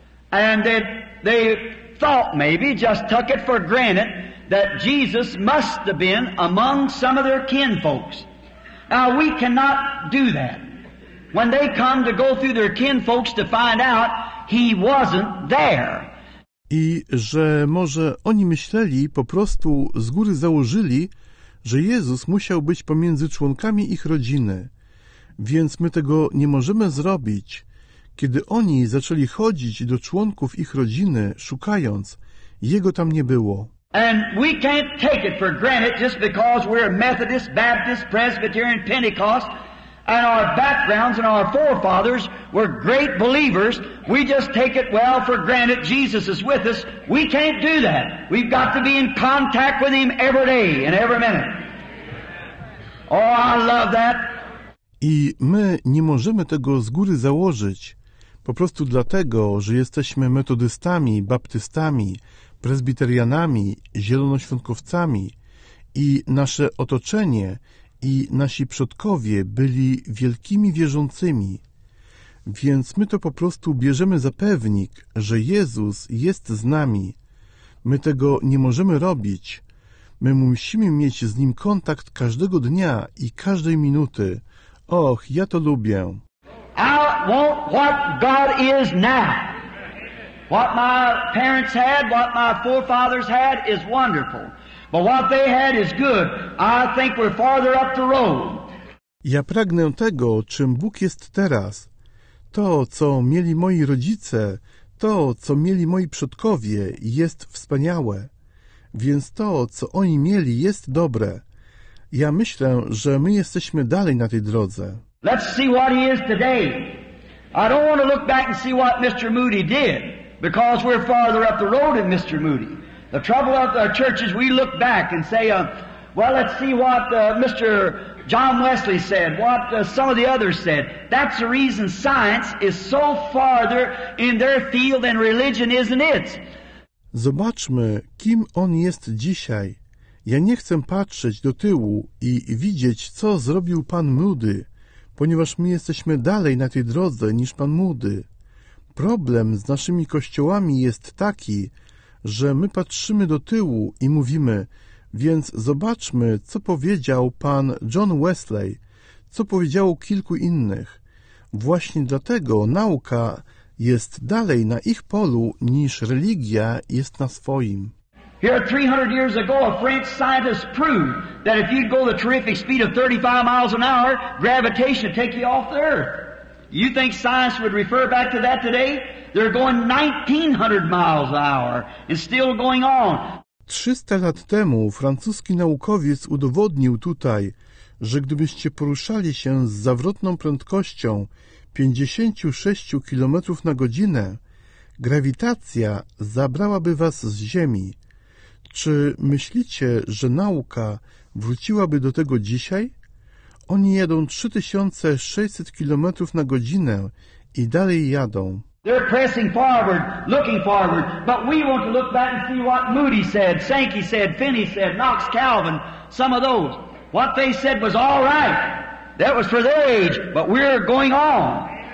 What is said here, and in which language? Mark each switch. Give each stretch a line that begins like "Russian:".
English: And they thought maybe, just took it for granted, that Jesus must have been among some of their kinfolks. Now we cannot do that. When they come to go through their kinfolks to find out, he wasn't there.
Polish: i że może oni myśleli, po prostu z góry założyli, że Jezus musiał być pomiędzy członkami ich rodziny. Więc my tego nie możemy zrobić. Kiedy oni zaczęli chodzić do członków ich rodziny, szukając, Jego tam nie było.
English: And we can't take it for granted just because we're Methodist, Baptist, Presbyterian, Pentecost, and our backgrounds and our forefathers were great believers. We just take it well for granted Jesus is with us. We can't do that. We've got to be in contact with Him every day and every minute. Oh, I love that.
Polish: I my nie możemy tego z góry założyć, po prostu dlatego, że jesteśmy metodystami, baptystami, prezbiterianami, zielonoświątkowcami i nasze otoczenie i nasi przodkowie byli wielkimi wierzącymi. Więc my to po prostu bierzemy za pewnik, że Jezus jest z nami. My tego nie możemy robić. My musimy mieć z Nim kontakt każdego dnia i każdej minuty. Och, ja to lubię.
English: I want what God is now. What my parents had, what my forefathers had is wonderful. But what they had is good. I think we're farther up the road.
Polish: Ja pragnę tego, czym Bóg jest teraz. To, co mieli moi rodzice, to, co mieli moi przodkowie, jest wspaniałe. Więc to, co oni mieli, jest dobre. Ja myślę, że my jesteśmy dalej na tej drodze.
English: Let's see what he is today. I don't want to look back and see what Mr. Moody did, because we're farther up the road than Mr. Moody. The trouble of our church is we look back and say, well, let's see what Mr. John Wesley said, what some of the others said. That's the reason science is so farther in their field than religion, isn't it?
Polish: Zobaczmy, kim on jest dzisiaj. Ja nie chcę patrzeć do tyłu i widzieć, co zrobił pan Moody, ponieważ my jesteśmy dalej na tej drodze niż pan Moody. Problem z naszymi kościołami jest taki, że my patrzymy do tyłu i mówimy, więc zobaczmy, co powiedział pan John Wesley, co powiedziało kilku innych. Właśnie dlatego nauka jest dalej na ich polu niż religia jest na swoim.
English: Here 300 years ago, a French scientist proved that if you go the terrific speed of 35 miles an hour, gravitation would take you off the earth. You think science would refer back to that today? They're going 1900 miles an hour and still going on.
Polish: 300 lat temu francuski naukowiec udowodnił tutaj, że gdybyście poruszali się z zawrotną prędkością 56 km na godzinę, grawitacja zabrałaby was z Ziemi. Czy myślicie, że nauka wróciłaby do tego dzisiaj? Oni jadą 3600 km na godzinę i dalej jadą.
English: They're pressing forward, looking forward, but we want to look back and see what Moody said, Sankey said, Finney said, Knox, Calvin, some of those. What they said was all right. That was for their age, but we're going on.